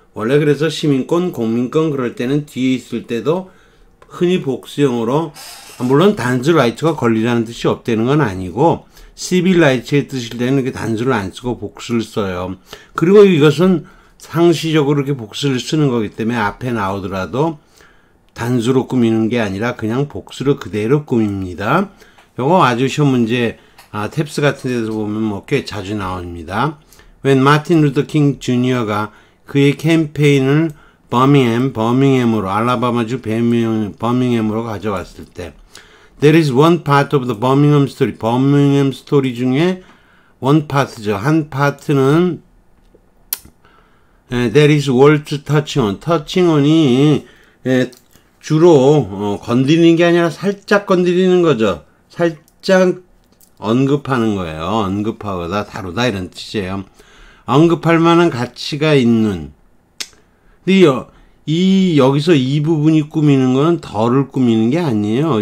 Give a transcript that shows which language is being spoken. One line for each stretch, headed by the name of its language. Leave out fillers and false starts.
Korean: 원래 그래서 시민권, 공민권 그럴 때는 뒤에 있을 때도 흔히 복수형으로, 물론 단수 라이트가 권리라는 뜻이 없다는 건 아니고, 시빌 라이트의 뜻일 때는 이렇게 단수를 안 쓰고 복수를 써요. 그리고 이것은 상시적으로 이렇게 복수를 쓰는 거기 때문에 앞에 나오더라도 단수로 꾸미는 게 아니라 그냥 복수를 그대로 꾸밉니다. 요거 아주 쉬운 문제, 탭스 같은 데서 보면 뭐꽤 자주 나옵니다.
English: When Martin Luther King Jr.가
Korean: 그의 캠페인을 버밍엠으로, 알라바마주 버밍엠으로 가져왔을 때,
English: There is one part of the Birmingham story.
Korean: 버밍엠 스토리 중에
English: one part
Korean: 죠. 한 파트는,
English: That is worth touching on. Touching on
Korean: 이 주로 건드리는 게 아니라 살짝 건드리는 거죠. 살짝 언급하는 거예요. 언급하거나 다루다 이런 뜻이에요. 언급할 만한 가치가 있는. 근데 여기서 이 부분이 꾸미는 건 덜을 꾸미는 게 아니에요.